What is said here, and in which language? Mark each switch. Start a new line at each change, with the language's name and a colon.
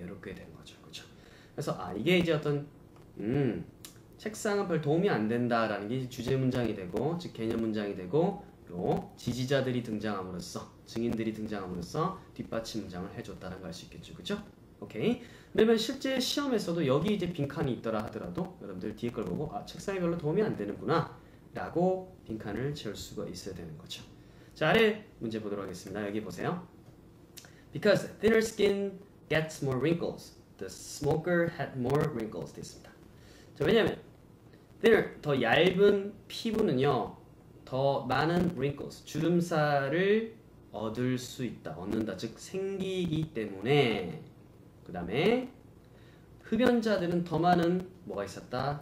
Korean: 이렇게 된 거죠, 그죠? 그래서, 아, 이게 이제 어떤, 책상은 별 도움이 안 된다라는 게 주제 문장이 되고, 즉 개념 문장이 되고, 또 지지자들이 등장함으로써 증인들이 등장함으로써 뒷받침 문장을 해줬다는 걸알수 있겠죠, 그죠? 오케이. 그러면 실제 시험에서도 여기 이제 빈칸이 있더라 하더라도 여러분들 뒤에 걸 보고 아 책상이 별로 도움이 안 되는구나 라고 빈칸을 채울 수가 있어야 되는 거죠. 자, 아래 문제 보도록 하겠습니다. 여기 보세요.
English: Because thinner skin gets more wrinkles, the smoker had more wrinkles.
Korean: 됐습니다. 자, 왜냐면 thinner, 더 얇은 피부는요 더 많은 wrinkles, 주름살을 얻을 수 있다, 얻는다. 즉, 생기기 때문에. 그 다음에, 흡연자들은 더 많은 뭐가 있었다?